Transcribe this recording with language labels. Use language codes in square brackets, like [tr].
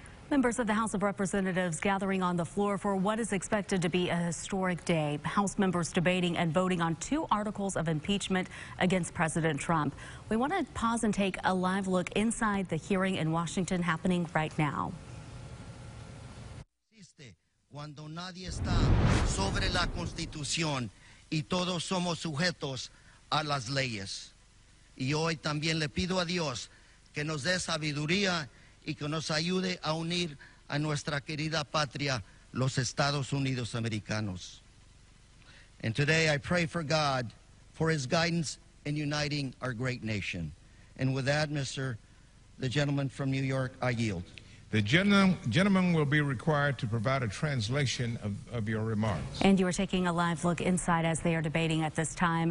[en] Members of the House of Representatives gathering on the floor for what is expected to be a historic day. House members debating and voting on two articles of impeachment against President Trump. We want to pause and take a live look inside the hearing in Washington happening right now. [es] Cuando nadie está sobre la Constitución y todos somos sujetos a las leyes. Y hoy también le pido a Dios que nos dé sabiduría y que nos ayude a unir a nuestra querida patria, los Estados Unidos Americanos. [en] And today I pray for God for his guidance in uniting our great nation. And with that, Mr. the gentleman from New York, I yield. The gentleman will be required to provide a translation of your remarks. And you are taking a live look inside as they are debating at this time.